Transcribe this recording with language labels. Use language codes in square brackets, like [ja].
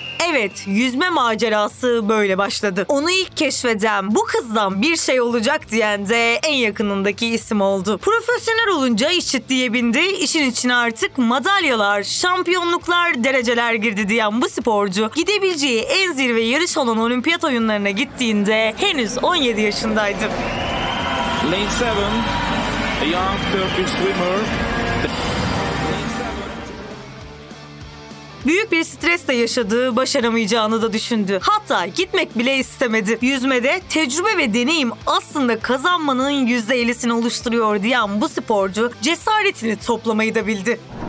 [tr] Evet, yüzme macerası böyle başladı. Onu ilk keşfeden, bu kızdan bir şey olacak diyen de en yakınındaki isim oldu. Profesyonel olunca işçiliğe bindi, işin içine artık madalyalar, şampiyonluklar, dereceler girdi diyen bu sporcu, gidebileceği en zirve yarış olan olimpiyat oyunlarına gittiğinde henüz 17 yaşındaydı. [en] Lane 7, a young Turkish swimmer. [tr] Büyük bir stres de yaşadı, başaramayacağını da düşündü. Hatta gitmek bile istemedi. Yüzmede tecrübe ve deneyim aslında kazanmanın %50'sini oluşturuyor diyen bu sporcu cesaretini toplamayı da bildi.